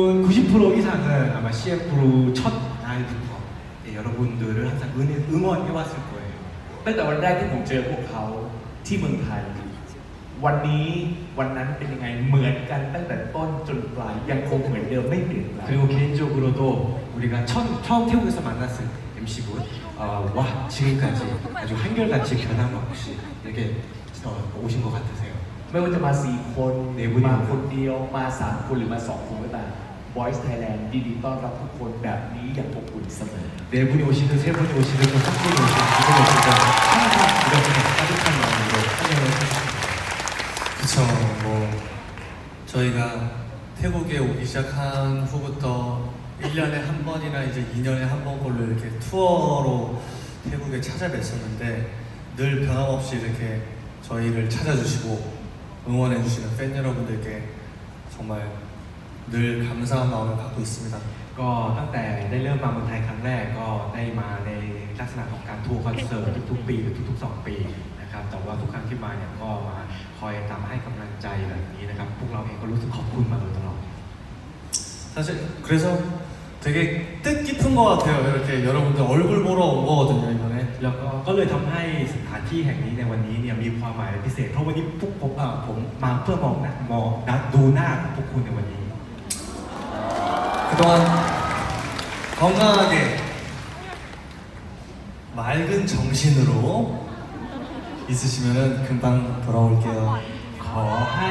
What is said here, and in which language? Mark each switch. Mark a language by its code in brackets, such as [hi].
[ko] 90% 이상은아마 CM 블루 첫 날부터 여러분들을 항상 응원해왔을 거예요. 그때 원래 [th] ที่ ผม เจอ พวก เขา ที่ เมือง ไทย วัน นี้ วัน นั้น เป็น ยัง ไง เหมือน กัน ตั้ง แต่ ต้น จน ปลาย ยัง คง เหมือน เดิม ไม่ เปลี่ยน แล้ว [ko] 그리고 개인적으로도 우리가 처음 태국에서 만났을 MC 분 와 지금까지 아주 한결같이 변함없이 이렇게 오신 것 같으세요. [th] ไม่ว่าจะมา4คนมาคนเดียวมา3คนหรือมา2คนก็ตาม Voice Thailand ดีดีต้อนรับทุกคนแบบนี้อย่างอบอุ่นเสมอ [ko] 네분이오시든세분이오시든한분이오시든두분이오시든항상이렇게따뜻한마음으로환영해주세요 그쵸뭐저희가태국에오기시작한후부터1년에한번이나이제2년에한번꼴로이렇게투어로태국에찾아뵀었는데늘변함없이이렇게저희를찾아주시고응원해주시는팬여러분들께정말 늘 감사한 마음을 갖고 있습니다. [th] ก็ตั้งแต่ได้เริ่มมาเมืองไทยครั้งแรกก็ได้มาในลักษณะของการทัวร์คอนเสิร์ตทุกปีหรือทุกสองปีนะครับแต่ว่าทุกครั้งที่มาเนี่ยก็มาคอยตามให้กำลังใจแบบนี้นะครับพวกเราเองก็รู้สึกขอบคุณมาโดยตลอด [ko] 사실 그래서 되게 뜻깊은 것 같아요. 여러분들 얼굴 보러 온 거거든요 이번에. [th] แล้วก็เลยทำให้สถานที่แห่งนี้ในวันนี้เนี่ยมีความหมายพิเศษเพราะวันนี้พวกผมมาเพื่อมองนะมองดูหน้าพวกคุณในวันนี้ [ko] 그동안 건강하게 맑은 정신으로 있으시면은 금방 돌아올게요.